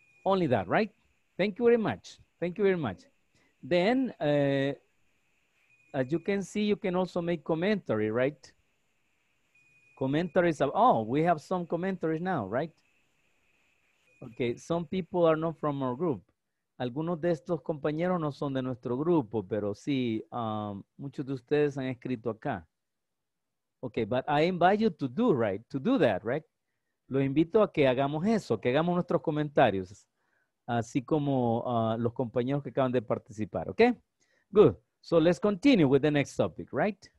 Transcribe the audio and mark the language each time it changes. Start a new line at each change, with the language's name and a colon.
English: Only that, right? Thank you very much. Thank you very much. Then, as you can see, you can also make commentary, right? Commentaries of, oh, we have some commentaries now, right? Okay, some people are not from our group.
Spanish: Algunos de estos compañeros no son de nuestro grupo, pero sí, muchos de ustedes han escrito acá.
English: Okay, but I invite you to do that, right?
Spanish: Los invito a que hagamos eso, que hagamos nuestros comentarios, así como los compañeros que acaban de participar, okay?
English: Good. So let's continue with the next topic, right?